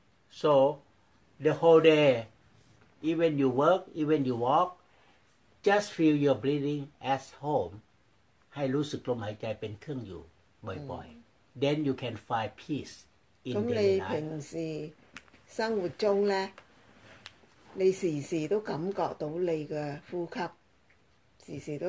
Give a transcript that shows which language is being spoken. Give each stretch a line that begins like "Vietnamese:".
English: so the whole day, even you work, even you walk, just feel your breathing as home.
Thai: ให้รู้สึกลมหายใจเป็นเครื่องอยู่บ่อยๆ.
English: Then you can find peace in the night.
Cantonese: 咁你平時生活中咧，你時時都感覺到你嘅呼吸。